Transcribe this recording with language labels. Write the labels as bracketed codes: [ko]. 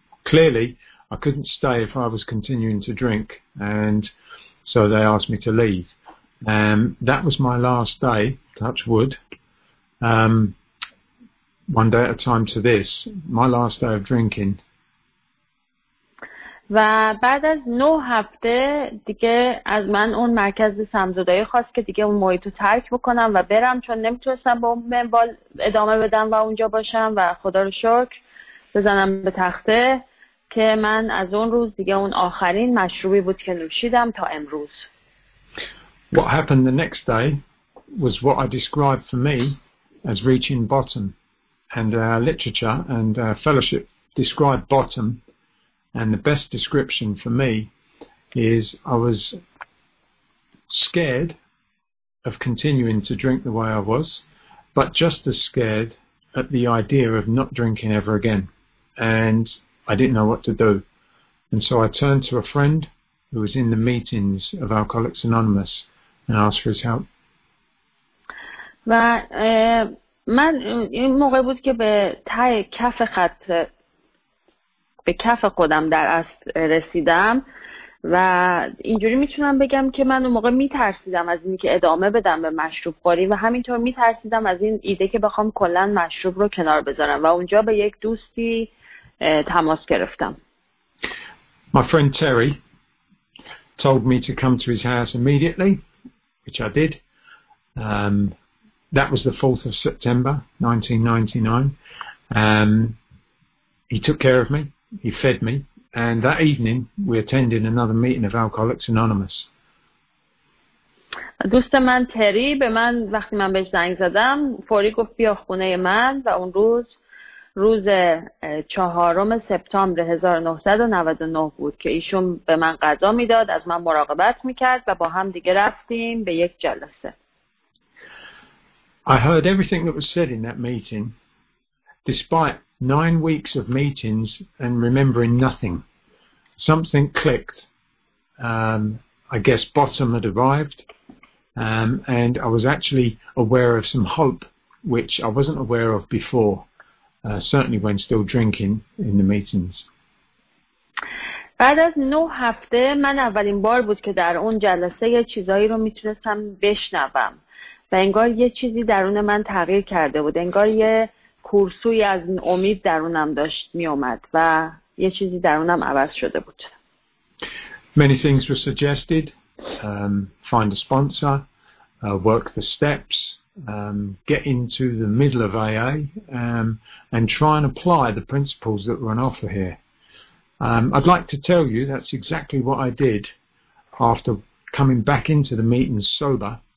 [en] Clearly, I couldn't stay if I was continuing to drink, and so they asked me to leave. That was my last day, touch wood, one day at a time to this, my last day of drinking. [fa] و بعد از 9 هفته دیگه از من اون مرکز سمزدایی خواست که دیگه اون محیط رو ترک بکنم و برم، چون نمیتونستم با اون منوال ادامه بدم و اونجا باشم و خدا رو شکر بزنم به تخته که من از اون روز دیگه اون آخرین مشروبی بود که نوشیدم تا امروز. [en] What happened the next day was what I described for me as reaching bottom, and our literature and our fellowship described bottom. And the best description for me is I was scared of continuing to drink the way I was, but just as scared at the idea of not drinking ever again. and I didn't know what to do. And so I turned to a friend who was in the meetings of Alcoholics Anonymous and asked for his help. [fa] و من این موقع بود که به تای کف خط به کف خودم در اصل رسیدم و اینجوری میتونم بگم که من اون موقع میترسیدم از این که ادامه بدم به مشروب خوری و همینطور میترسیدم از این ایده که بخوام کلن مشروب رو کنار بذارم و اونجا به یک دوستی تماس گرفتم. [en] My friend Terry told me to come to his house immediately, which I did. That was the 4th of September, 1999. He took care of me, he fed me, and that evening we attended another meeting of Alcoholics Anonymous. [fa] دوست من تری به من وقتی من بهش زنگ زدم فوری گفت بیا خونه من و اون روز روز چهارم سپتامبر 1999 بود که ایشون به من غذا میداد از من مراقبت میکرد و با هم دیگه رفتیم به یک جلسه. [en] I heard everything that was said in that meeting, despite 9 weeks of meetings and remembering nothing. Something clicked. I guess bottom had arrived, and I was actually aware of some hope, which I wasn't aware of before, certainly when still drinking in the meetings. [fa] بعد از 9 هفته من اولین بار بود که در اون جلسه یه چیزایی رو میتونستم بشنوم. و انگار یه چیزی درون من تغییر کرده بود. انگار یه کورسوی از امید درونم داشت می اومد و یه چیزی درونم عوض شده بود. [en] Many things were suggested. Find a sponsor. Work the steps. Get into the middle of AA. And try and apply the principles that were on offer here. I'd like to tell you that's exactly what I did after coming back into the meeting sober.